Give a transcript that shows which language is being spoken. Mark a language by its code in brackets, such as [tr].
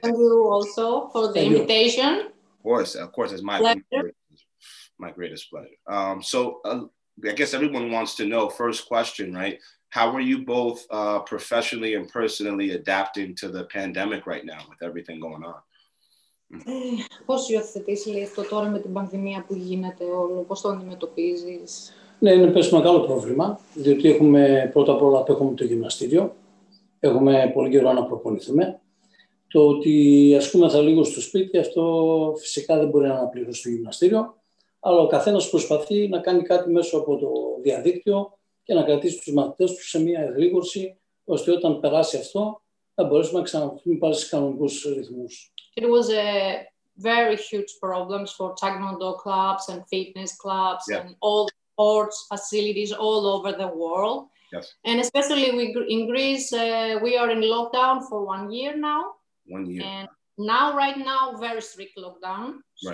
[en] Thank you also for the invitation. Of course, it's my greatest pleasure. I guess everyone wants to know, first question, right? How are you both professionally and personally adapting to the pandemic right now with everything going on? [el] Πώς υιοθετείς, λέει, αυτό τώρα με την πανδημία που γίνεται όλο, πώς το αντιμετωπίζεις? Ναι, είναι πέσει μεγάλο πρόβλημα, διότι έχουμε πρώτα απ' όλα το γυμναστήριο, έχουμε πολύ καιρό να προπονηθούμε. Το ότι ασκούμεθα λίγο στο σπίτι, αυτό φυσικά δεν μπορεί να αναπληρώσει το γυμναστήριο, αλλά ο καθένας προσπαθεί να κάνει κάτι μέσω από το διαδίκτυο και να κρατήσει τους μαθητές του σε μια εγρήγορση, ώστε όταν περάσει αυτό, να μπορέσουμε να ξαναβρούμε πάλι στους κανονικούς ρυθμούς. [en] It was a very huge problems for Taekwondo clubs and fitness clubs, yeah, and all sports facilities all over the world. Yes. And especially we in Greece, we are in lockdown for 1 year now. 1 year. And now, right now, very strict lockdown. Right.